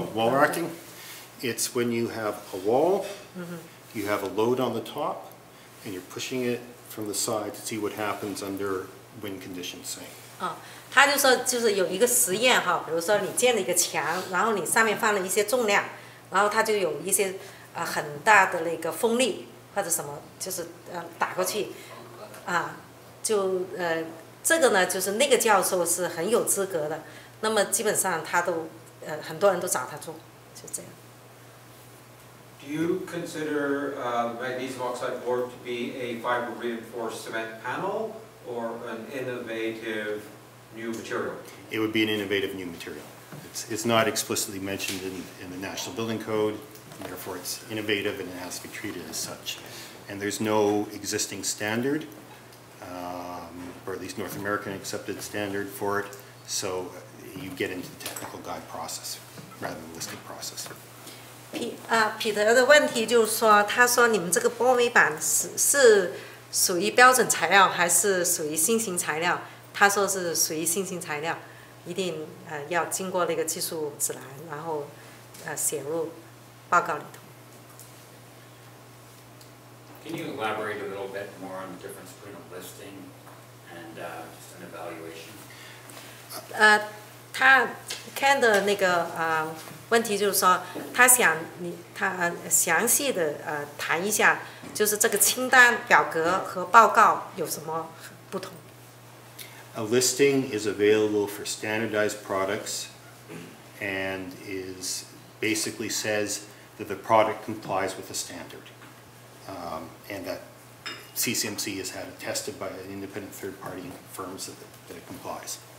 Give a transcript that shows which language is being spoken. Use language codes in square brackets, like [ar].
[en] wall racking it's when you have a wall you have a load on the top and you're pushing it from the side to see what happens under wind conditions say [zh] 他就说就是有一个实验哈，比如说你建了一个墙，然后你上面放了一些重量，然后它就有一些很大的那个风力或者什么，就是打过去就这个呢就是那个教授是很有资格的，那么基本上他都很多人都找他做，就这样。 [en] Do you consider magnesium oxide board to be a fiber reinforced cement panel or an innovative new material? It would be an innovative new material. It's not explicitly mentioned in the National Building Code, therefore it's innovative and it has to be treated as such. And there's no existing standard, or at least North American accepted standard for it, so you get into the technical guide process rather than the listing process. Peter's question is, he said that your plastic board is considered a standard material or a new material? [zh] 他说是属于新型材料，一定要经过那个技术指南，然后写入报告里头。 [en] Can you elaborate a little bit more on the difference between a listing and just an evaluation? [zh] 他 Ken 的那个问题就是说，他想你他详细的谈一下，就是这个清单表格和报告有什么不同。 [en] A listing is available for standardized products and is basically says that the product complies with the standard and that CCMC has had it tested by an independent third party and confirms that, that it complies.